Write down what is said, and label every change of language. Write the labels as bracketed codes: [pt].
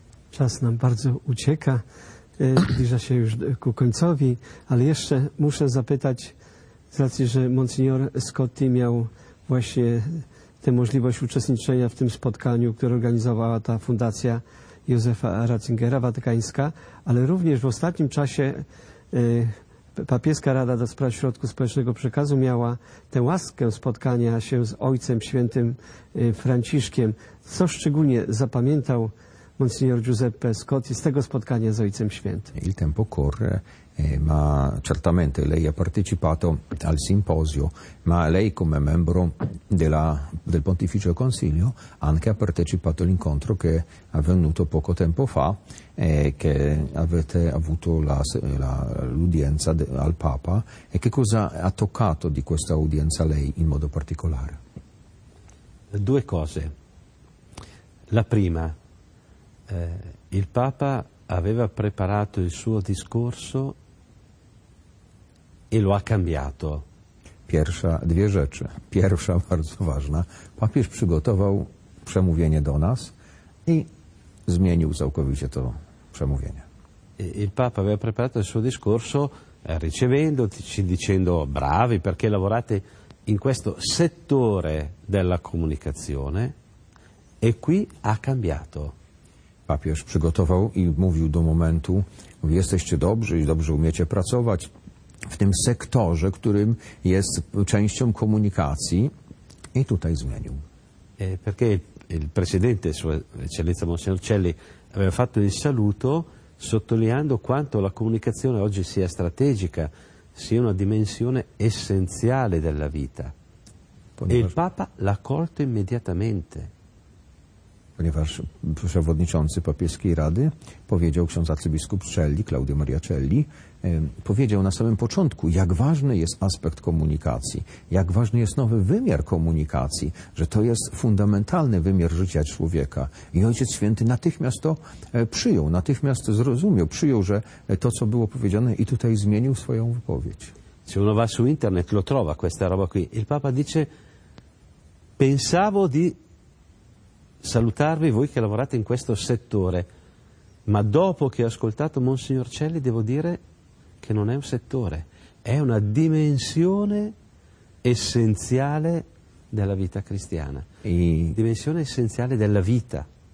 [pl] Czas nam bardzo ucieka, zbliża się już ku końcowi, ale jeszcze muszę zapytać, z racji, że Monsignor Scotti miał właśnie tę możliwość uczestniczenia w tym spotkaniu, które organizowała ta Fundacja Józefa Ratzingera Watykańska, ale również w ostatnim czasie Papieska Rada do Spraw Środków Społecznego Przekazu miała tę łaskę spotkania się z Ojcem Świętym Franciszkiem. Co szczególnie zapamiętał Monsignor Giuseppe Scotti z tego spotkania z Ojcem Świętym? [it] Il tempo corre, ma certamente lei ha partecipato al simposio, ma lei come membro del Pontificio Consiglio anche ha partecipato all'incontro che è avvenuto poco tempo fa e che avete avuto l'udienza al Papa. E che cosa ha toccato di questa udienza lei in modo particolare? Due cose. La prima, il Papa aveva preparato il suo discorso e lo ha cambiato. [pl] Pierwsza, dwie rzeczy. Pierwsza, bardzo ważna. Papież przygotował przemówienie do nas i zmienił całkowicie to przemówienie. [it] Il Papa aveva preparato il suo discorso ricevendoci, dicendo bravi perché lavorate in questo settore della comunicazione e qui ha cambiato. [pl] Papież przygotował i mówił do momentu, mówi, jesteście dobrzy i dobrze umiecie pracować w tym sektorze, którym jest częścią komunikacji i tutaj zmienił. [it] Perché il presidente, sua eccellenza Monsignor Celli, aveva fatto il saluto sottolineando quanto la comunicazione oggi sia strategica, sia una dimensione essenziale della vita. E il Papa l'ha colto immediatamente. [pl] Ponieważ przewodniczący papieskiej rady powiedział ksiądz arcybiskup Celli, Claudio Maria Celli, powiedział na samym początku, jak ważny jest aspekt komunikacji, jak ważny jest nowy wymiar komunikacji, że to jest fundamentalny wymiar życia człowieka. I Ojciec Święty natychmiast to przyjął, natychmiast zrozumiał, przyjął, że to, co było powiedziane i tutaj zmienił swoją wypowiedź. [it] Se uno va su internet, lo trova questa roba qui. Il Papa dice, pensavo di salutarvi voi che lavorate in questo settore, ma dopo che ho ascoltato Monsignor Celli devo dire che non è un settore, è una dimensione essenziale della vita cristiana, dimensione essenziale della vita.